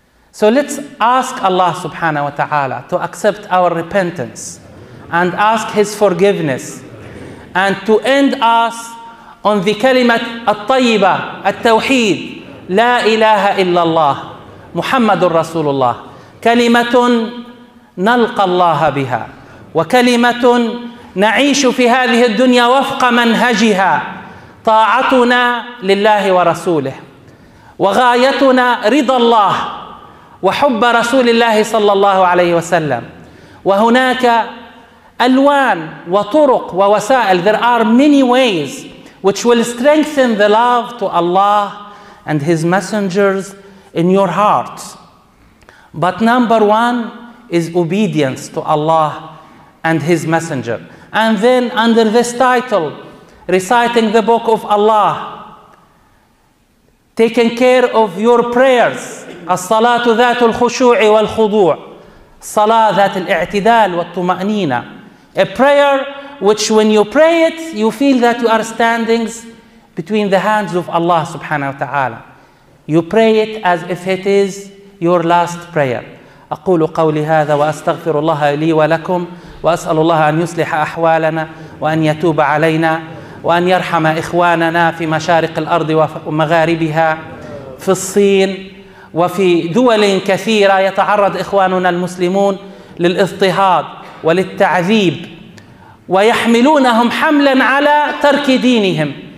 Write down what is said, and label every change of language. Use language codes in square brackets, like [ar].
[en] So let's ask Allah subhanahu wa ta'ala to accept our repentance and ask his forgiveness and to end us on the kalimat at-tayyiba, at-tawheed, [ar] la ilaha illallah, Muhammadur Rasulullah. كلمة نلقى الله بها وكلمة نعيش في هذه الدنيا وفق منهجها طاعتنا لله ورسوله وغايتنا رضا الله وحب رسول الله صلى الله عليه وسلم. وهناك ألوان وطرق ووسائل. [en] There are many ways which will strengthen the love to Allah and His messengers in your hearts. But number one is obedience to Allah and His messenger. And then under this title, reciting the book of Allah, taking care of your prayers, [ar] الصلاة ذات الخشوع والخضوع, صلاة ذات الاعتدال والطمأنينة, [en] a prayer which when you pray it, you feel that you are standing between the hands of Allah subhanahu wa ta'ala. You pray it as if it is your last prayer. [ar] أقول قولي هذا وأستغفر الله لي ولكم وأسأل الله أن يصلح أحوالنا وأن يتوب علينا وأن يرحم إخواننا في مشارق الأرض ومغاربها, في الصين وفي دول كثيرة يتعرض إخواننا المسلمون للإضطهاد وللتعذيب ويحملونهم حملا على ترك دينهم.